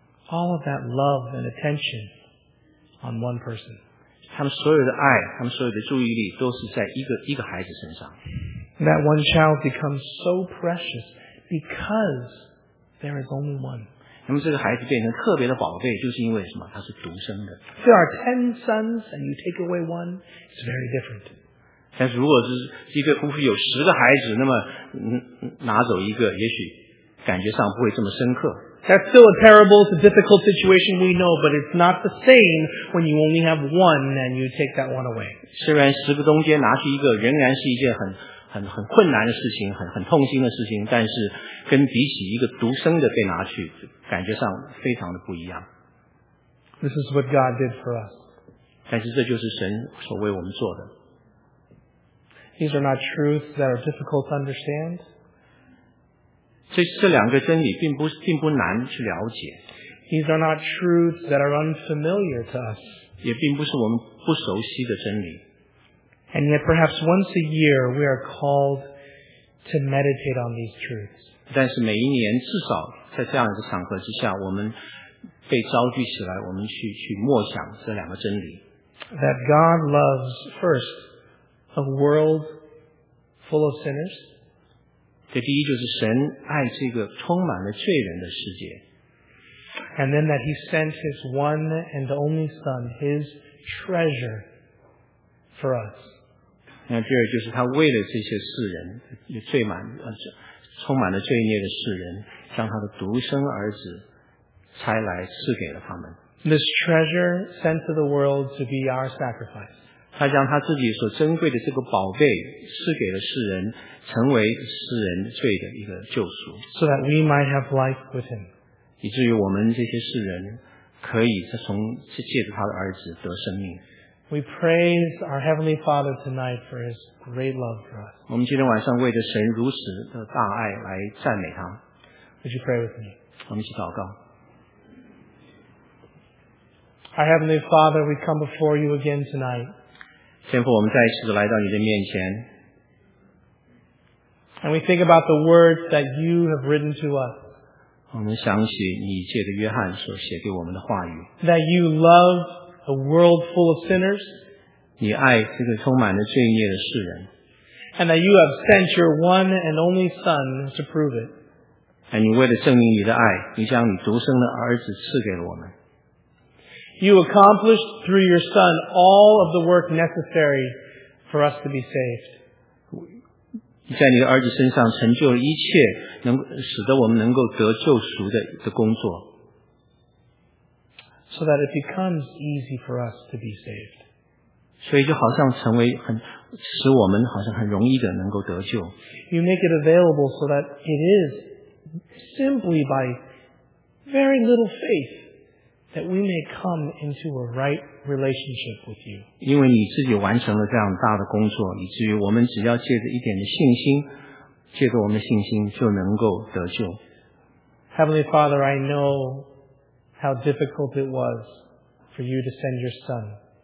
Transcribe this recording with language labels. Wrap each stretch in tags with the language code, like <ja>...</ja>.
<en>All of that love and attention on one person.</en> <zh>他们所有的爱他们所有的注意力都是在一个孩子身上。</zh> <en>That one child becomes so precious because there is only one.</en> <zh>那么这个孩子变成特别的宝贝就是因为什么他是独生的。</zh> <en>There are 10 sons and you take away one, it's very different.</en> <zh>但是如果是一对夫妇有十个孩子，那么拿走一个，也许感觉上不会这么深刻。</zh> <en>That's still a terrible, it's a difficult situation we know, but it's not the same when you only have one and you take that one away.</en> <zh>虽然十个中间拿去一个，仍然是一件很困难的事情，很痛心的事情，但是跟比起一个独生的被拿去，感觉上非常的不一样。</zh> <en>This is what God did for us.</en> <zh>但是这就是神所为我们做的。</zh> <en>These are not truths that are difficult to understand.</en> <zh>这两个真理并不难去了解。</zh> <en>These are not truths that are unfamiliar to us.</en> <zh>也并不是我们不熟悉的真理。</zh> <en>And yet perhaps once a year we are called to meditate on these truths.</en> <zh>但是每一年至少在这样一个场合之下我们被召聚起来我们去默想这两个真理。</zh> <en>That God loves first,A world full of sinners.</en> <zh>这第一就是神爱这个充满了罪人的世界。</zh> <en>And then that he sent his one and only son, his treasure, for us.</en> <zh>那第二就是他为了这些世人，充满了罪孽的世人，将他的独生儿子差来赐给了他们。</zh> <en>This treasure sent to the world to be our sacrifice.</en> <zh>他将他自己所珍贵的这个宝贝赐给了世人成为世人罪的一个救赎。</zh> <en>So that we might have life with him.</en> <zh>以至于我们这些世人可以从借着他的儿子得生命。</zh> <en>We praise our Heavenly Father tonight for his great love for us.</en> <zh>我们今天晚上为着神如此的大爱来赞美他。</zh> <en>Would you pray with me?</en> <zh>我们一起祷告。</zh> <en>Our Heavenly Father, we come before you again tonight.</en> <zh>天父我们再一次来到你的面前</zh> <en>And we think about the words that you have written to us</en> <zh>我们想起你借着约翰所写给我们的话语</zh> <en>That you love a world full of sinners</en> <zh>你爱这个充满了罪孽的世人</zh> <en>And that you have sent your one and only son to prove it And</en> <zh>你为了证明你的爱你将你独生的儿子赐给了我们</zh> <en>You accomplished through your son all of the work necessary for us to be saved.</en> <zh>在你的儿子身上成就了一切能使得我们能够得救赎的工作。</zh> <en>So that it becomes easy for us to be saved.</en> <zh>所以就好像成为很使我们好像很容易的能够得救。</zh> <en>You make it available so that it is simply by very little faith. That we may come into a right relationship with you.</en> <zh>因为你自己完成了这样大的工作，以至于我们只要借着一点的信心，借着我们的信心就能够得救。</zh> <en>Heavenly Father, I know how difficult it was for you to send your son.</en>